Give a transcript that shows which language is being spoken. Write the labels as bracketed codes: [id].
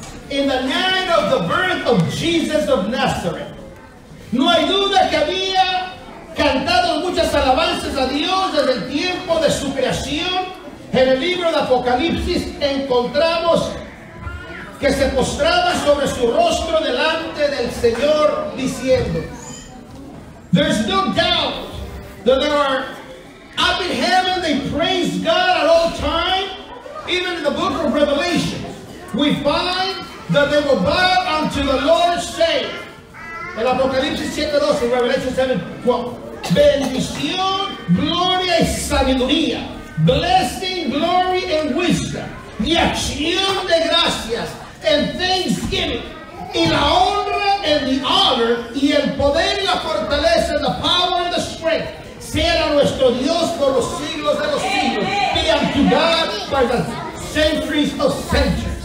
[en] In the night of the birth of Jesus of Nazareth. [es] No hay duda que había cantado muchas alabanzas a Dios desde el tiempo de su creación. En el libro de Apocalipsis encontramos que se postraba sobre su rostro delante del Señor diciendo: [en] There's no doubt that they are up in heaven, they praise God at all times. Even in the book of Revelation, we find that they will bow unto the Lord's saying. [es] En Apocalipsis 7:12, Revelation 7:12. Bendición, gloria y sabiduría. [en] Blessing, glory, and wisdom. [es] Y acción de gracias. [en] And thanksgiving. [es] Y la honra, [en] and the honor. [es] Y el poder y la fortaleza. [en] The power and the strength. [es] Sea nuestro Dios por los siglos de los siglos. [en] Be unto God by the centuries of centuries.